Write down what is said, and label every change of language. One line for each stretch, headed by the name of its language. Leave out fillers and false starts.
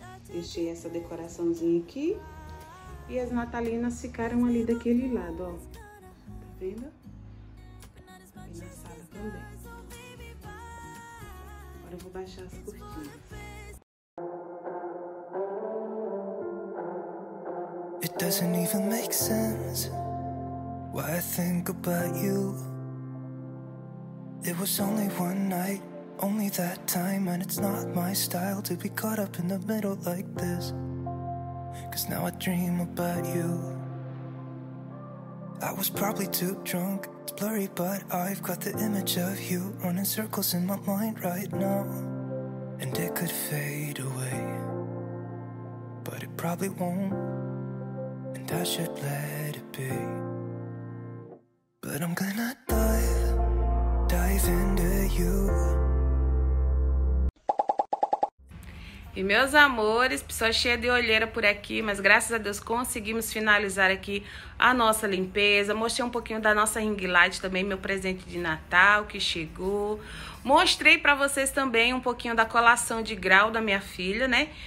Portuguese: Deixei essa decoraçãozinha aqui. E as natalinas ficaram ali daquele lado, ó. Tá vendo? Também. Agora eu vou baixar as cortinas.
English: It doesn't even make sense why I think about you. It was only one night, only that time, and it's not my style to be caught up in the middle like this. 'Cause now I dream about you. I was probably too drunk. It's blurry, but I've got the image of you running circles in my mind right now. And it could fade away, but it probably won't, and I should let it be. But I'm gonna dive into you.
Portuguese: E meus amores, pessoa cheia de olheira por aqui, mas graças a Deus conseguimos finalizar aqui a nossa limpeza. Mostrei um pouquinho da nossa ring light também, meu presente de Natal que chegou. Mostrei pra vocês também um pouquinho da colação de grau da minha filha, né?